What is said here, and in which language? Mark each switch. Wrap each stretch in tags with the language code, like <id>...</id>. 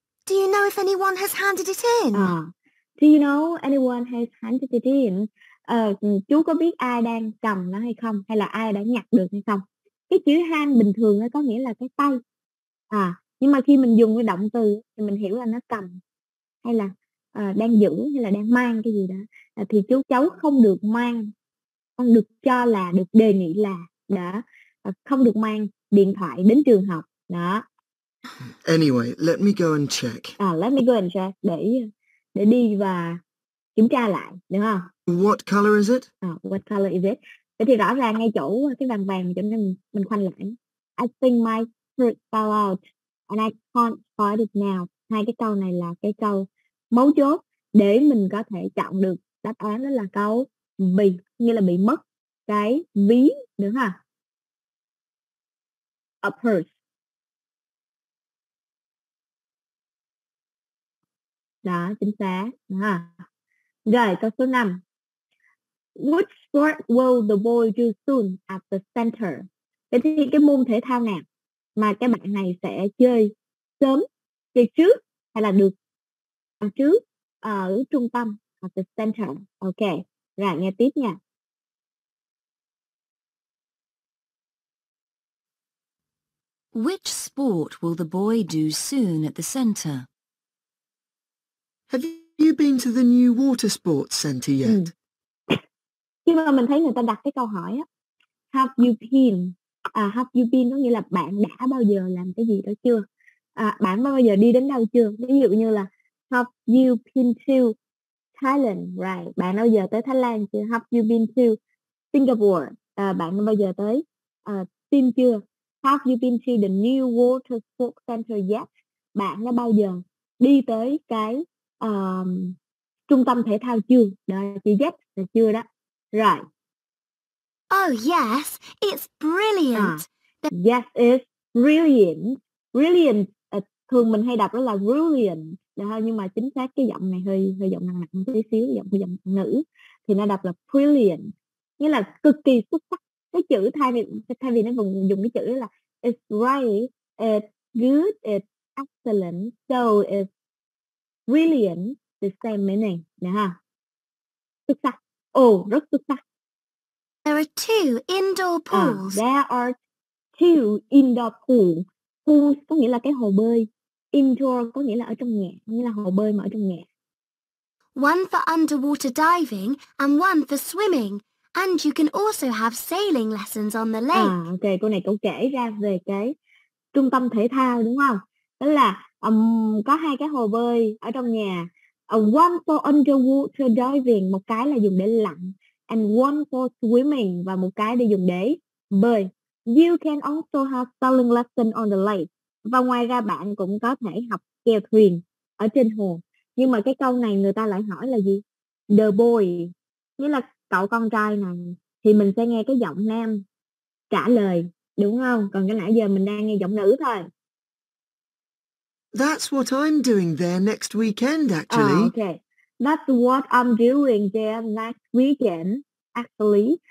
<en>Do you know if anyone has handed it in? Do you know anyone has handed it in?</en> <vi>Chú có biết ai đang cầm nó hay không? Hay là ai đã nhặt được hay không? Cái chữ hand bình thường có nghĩa là cái tay. Nhưng mà khi mình dùng cái động từ thì mình hiểu là nó cầm. Hay là đang giữ hay là đang mang cái gì đó. Thì chú cháu không được mang. Con được cho là, được đề nghị là đã không được mang điện thoại đến trường học. Đó.</vi> <en>Anyway, let me go and check. Let me go and check.</en> <vi>Để đi và kiểm tra lại. Được không?</vi> <en>What color is it? What color is it?</en> <vi>Thì rõ ràng ngay chỗ cái vàng cho nên mình khoanh lại.</vi> <en>I think my shirt fell out and I can't find it now.</en> <vi>Hai cái câu này là cái câu mấu chốt để mình có thể chọn được đáp án, đó là câu bị, nghĩa là bị mất cái ví, được ha?</vi> <en>A purse.</en> <vi>Đó, chính xác. Rồi, câu số 5.</vi> <en>Which sport will the boy do soon at the center?</en> <vi>Vậy thì cái môn thể thao nào mà cái bạn này sẽ chơi sớm, chơi trước hay là được làm trước ở trung tâm,</vi> <en>at the center?</en> <vi>Ok, rồi nghe tiếp nha.</vi> <en>Which sport will the boy do soon at the center? Have you been to the new water sports center yet?</en> <vi>Khi mà mình thấy người ta đặt cái câu hỏi á,</vi> <en>have you been? Have you been</en> <vi>có nghĩa là bạn đã bao giờ làm cái gì đó chưa? Bạn bao giờ đi đến đâu chưa? Ví dụ như là</vi> <en>have you been to Thailand, right?</en> <vi>Bạn bao giờ tới Thái Lan chưa?</vi> <en>Have you been to Singapore?</en> <vi>Bạn bao giờ tới Sim chưa?</vi> <en>Have you been to the new water sports center yet?</en> <vi>Bạn đã bao giờ đi tới cái trung tâm thể thao chưa? Đó, chị yet là chưa đó. Right.</vi> <en>Oh yes, it's brilliant. Yes, it's brilliant.</en> <vi>Brilliant, thường mình hay đọc đó là brilliant. Đó, nhưng mà chính xác cái giọng này hơi giọng nặng nặng một tí xíu, giọng nữ. Thì nó đọc là brilliant, nghĩa là cực kỳ xuất sắc. Cái chữ thay vì nó dùng cái chữ là</vi> <en>it's right, it's good, it's excellent, so it's brilliant, the same meaning.</en> <vi>Nè ha, xuất sắc. Oh, rất xuất sắc.</vi> <en>There are two indoor pools. There are two indoor pools.</en> <vi>Pool có nghĩa là cái hồ bơi. Indoor có nghĩa là ở trong nhà, nghĩa là hồ bơi mà ở trong nhà.</vi> <en>One for underwater diving and one for swimming. And you can also have sailing lessons on the lake.</en> <vi>Ok, cô này cũng kể ra về cái trung tâm thể thao đúng không? Đó là có hai cái hồ bơi ở trong nhà.</vi> <en>One for underwater diving,</en> <vi>một cái là dùng để lặn.</vi> <en>And one for swimming,</en> <vi>và một cái để dùng để bơi.</vi> <en>You can also have sailing lessons on the lake.</en> <vi>Và ngoài ra bạn cũng có thể học kèo thuyền ở trên hồ. Nhưng mà cái câu này người ta lại hỏi là gì?</vi> <en>The boy,</en> <vi>nghĩa là cậu con trai này. Thì mình sẽ nghe cái giọng nam trả lời, đúng không? Còn cái nãy giờ mình đang nghe giọng nữ thôi.</vi> <en>That's what I'm doing there next weekend, actually. Okay. That's what I'm doing there next weekend, actually.</en>